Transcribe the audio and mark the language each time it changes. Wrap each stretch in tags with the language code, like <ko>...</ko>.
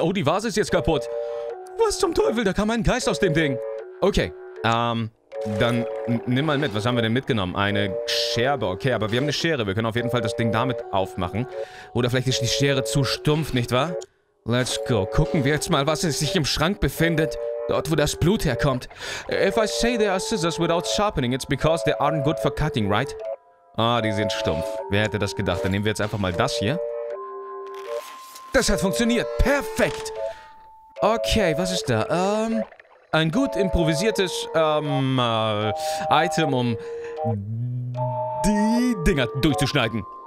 <de>Oh, die Vase ist jetzt kaputt. Was zum Teufel? Da kam ein Geist aus dem Ding. Okay, dann nimm mal mit. Was haben wir denn mitgenommen? Eine Scherbe. Okay, aber wir haben eine Schere. Wir können auf jeden Fall das Ding damit aufmachen. Oder vielleicht ist die Schere zu stumpf, nicht wahr?</de> <en>Let's go.</en> <de>Gucken wir jetzt mal, was sich im Schrank befindet. Dort, wo das Blut herkommt.</de> <en>If I say there are scissors without sharpening, it's because they aren't good for cutting, right?</en> <de>Ah, die sind stumpf. Wer hätte das gedacht? Dann nehmen wir jetzt einfach mal das hier. Das hat funktioniert. Perfekt. Okay, was ist da? Ein gut improvisiertes, Item, um die Dinger durchzuschneiden.</de>